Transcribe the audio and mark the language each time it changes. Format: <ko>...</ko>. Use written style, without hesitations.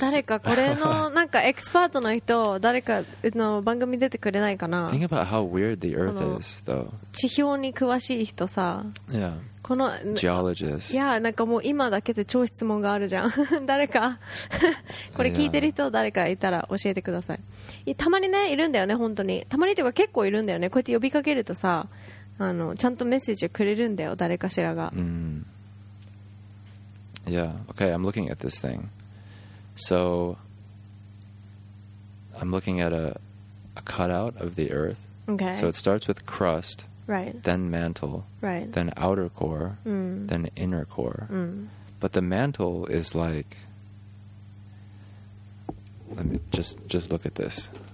<ja>誰かこれのなんかエキスパートの人誰かの番組出てくれないかな?</ja> <en>Think about how weird the earth is, though.</en> <ja>地表に詳しい人さ。</ja> <en>Yeah.</en> <ja>この...</ja> <en>Geologist.</en> <ja>いや、なんかもう今だけで超質問があるじゃん。誰か。これ聞いてる人誰かいたら教えてください。たまにねいるんだよね本当にたまにというか結構いるんだよねこうやって呼びかけるとさあのちゃんとメッセージをくれるんだよ誰かしらが、</ja> <en>Yeah, okay, I'm looking at this thing So I'm looking at a cutout of the earth Okay So it starts with crust Right Then mantle Right Then outer core Then inner core But the mantle is likeLet me just look at this.</en>